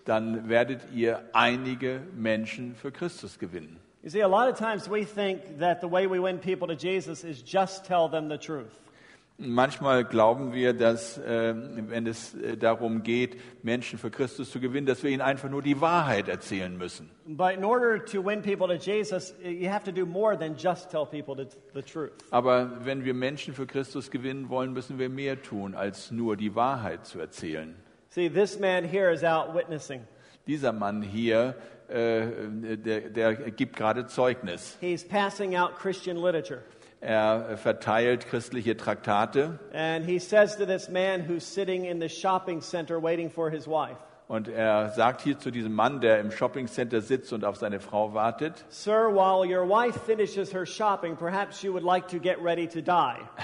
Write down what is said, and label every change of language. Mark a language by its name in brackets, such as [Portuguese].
[German] Dann werdet ihr einige Menschen für Christus gewinnen. [English] You see, a lot of times we think that the way we win people to Jesus is just tell them the truth. [German] Manchmal glauben wir, dass wenn es darum geht, Menschen für Christus zu gewinnen, dass wir ihnen einfach nur die Wahrheit erzählen müssen. [English] But in order to win people to Jesus, you have to do more than just tell people the truth. [German] Aber wenn wir Menschen für Christus gewinnen wollen, müssen wir mehr tun, als nur die Wahrheit zu erzählen. [English] See, this man here is out witnessing. [German] Dieser Mann hier, der gibt gerade Zeugnis. [English] He's passing out Christian literature. [German] Er verteilt christliche Traktate. [English] And he says to this man who's sitting in the shopping center waiting for his wife. [German] Und er sagt hier zu diesem Mann, der im Shopping Center sitzt und auf seine Frau wartet. [English] Sir, while your wife finishes her shopping, perhaps you would like to get ready to die.